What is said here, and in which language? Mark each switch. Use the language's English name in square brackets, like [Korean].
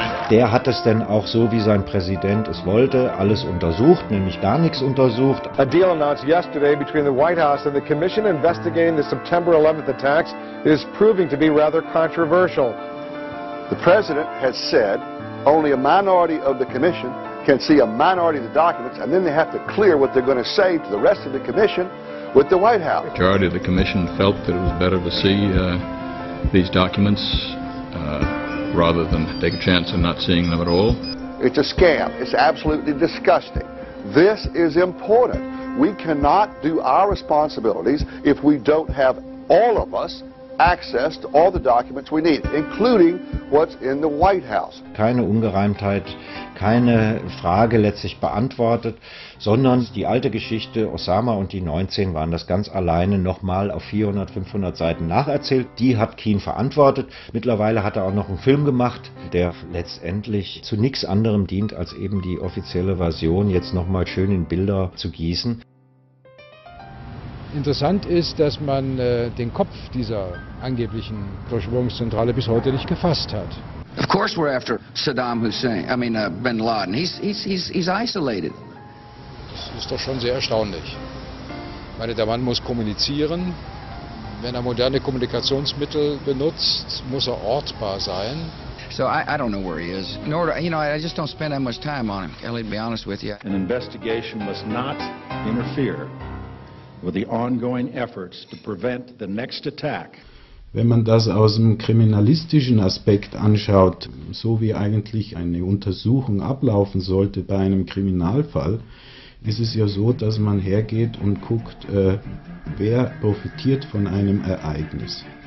[German] Der hat es denn auch so, wie sein Präsident es wollte, alles untersucht, nämlich gar nichts untersucht. [English] A deal announced yesterday between the White House and the commission investigating the September 11th attacks is proving to be rather controversial. The president has said only a minority of the commission can see a minority of the documents, and then they have to clear what they're going to say to the rest of the commission with the White House. The majority of the commission felt that it was better to see these documents rather than take a chance of not seeing them at all. It's a scam. It's absolutely disgusting. This is important. We cannot do our responsibilities if we don't have all of us access to all the documents we need, including what's in the White House. [German] Keine Ungereimtheit, keine Frage letztlich beantwortet, sondern die alte Geschichte, Osama und die 19 waren das ganz alleine nochmal auf 400, 500 Seiten nacherzählt. Die hat Keane verantwortet. Mittlerweile hat er auch noch einen Film gemacht, der letztendlich zu nichts anderem dient, als eben die offizielle Version jetzt nochmal schön in Bilder zu gießen. Interessant ist, dass man den Kopf dieser angeblichen Verschwörungszentrale bis heute nicht gefasst hat. [English] Of course we're after Saddam Hussein, I mean Bin Laden. He's isolated. [German] Das ist doch schon sehr erstaunlich. Ich meine, der Mann muss kommunizieren. Wenn er moderne Kommunikationsmittel benutzt, muss er ortbar sein. [English] So I don't know where he is. Nor, you know, I just don't spend that much time on him. Kelly, to be honest with you. An investigation must not interfere with the ongoing efforts to prevent the next attack. [German] Wenn man das aus dem kriminalistischen Aspekt anschaut, so wie eigentlich eine Untersuchung ablaufen sollte bei einem Kriminalfall, ist es ja so, dass man hergeht und guckt, wer profitiert von einem Ereignis.